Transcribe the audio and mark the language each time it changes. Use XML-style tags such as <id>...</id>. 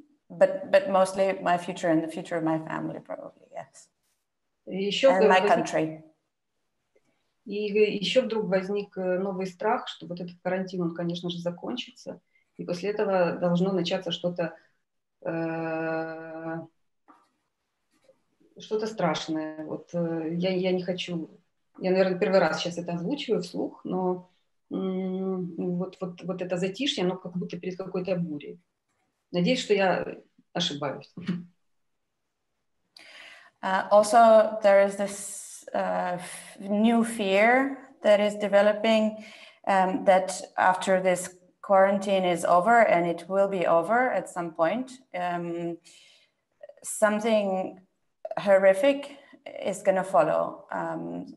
<en>But mostly my future and the future of my family, probably, yes.</en> <ru>Еще</ru> <en>and my country.</en> <ru>И еще вдруг возник новый страх, что вот этот карантин, он, конечно же, закончится, и после этого должно начаться что-то страшное. Вот я не хочу, я, наверное, первый раз сейчас это озвучиваю вслух, но вот это затишье, оно как будто перед какой-то бурей. Надеюсь, что я ошибаюсь.</ru> <en>Also, there is this new fear that is developing that after this quarantine is over, and it will be over at some point, something horrific is going to follow.</en>